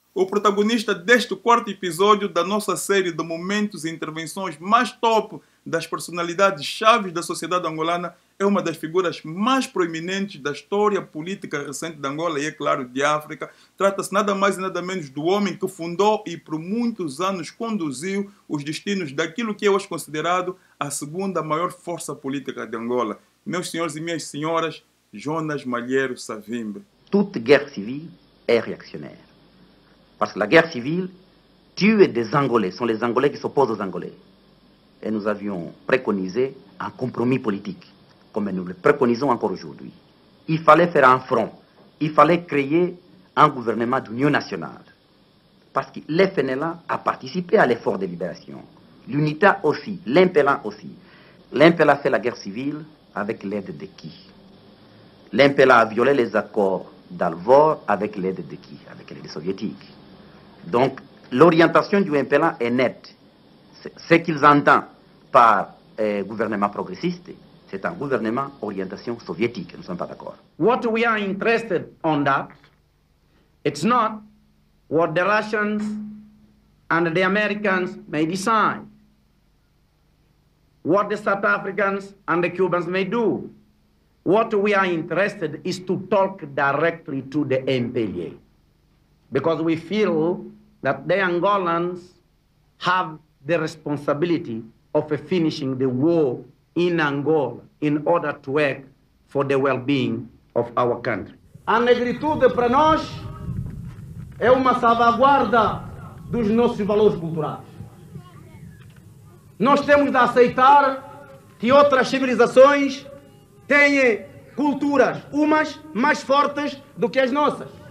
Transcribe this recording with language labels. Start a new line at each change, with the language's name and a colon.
Portuguese: o protagonista deste quarto episódio da nossa série de momentos e intervenções mais top das personalidades chaves da sociedade angolana, é uma das figuras mais proeminentes da história política recente de Angola e, é claro, de África. Trata-se nada mais e nada menos do homem que fundou e por muitos anos conduziu os destinos daquilo que é hoje considerado a segunda maior força política de Angola. Meus senhores e minhas senhoras, Jonas Malheiro Savimbi.
French: Toute guerre civile est réactionnaire. Parce que la guerre civile tue des Angolais, sont les Angolais qui s'opposent aux Angolais. Et nous avions préconisé un compromis politique, comme nous le préconisons encore aujourd'hui. Il fallait faire un front, il fallait créer un gouvernement d'union nationale. Parce que l'FNLA a participé à l'effort de libération. L'UNITA aussi, l'IMPELA aussi. L'IMPELA fait la guerre civile avec l'aide de qui? L'IMPELA a violé les accords d'Alvor avec l'aide de qui? Avec l'aide soviétique. Donc, l'orientation du IMPELA est nette. Ce qu'ils entendent par gouvernement progressiste, c'est un gouvernement orientation soviétique. Nous ne sommes pas d'accord.
English: What we are interested on that, it's not what the Russians and the Americans may decide. What the South Africans and the Cubans may do. What we are interested is to talk directly to the MPLA, because we feel that the Angolans have the responsibility of finishing the war in Angola in order to work for the well-being of our country.
Portuguese: A negritude para nós é uma salvaguarda dos nossos valores culturais. Nós temos de aceitar que outras civilizações tenha culturas, umas mais fortes do que as nossas.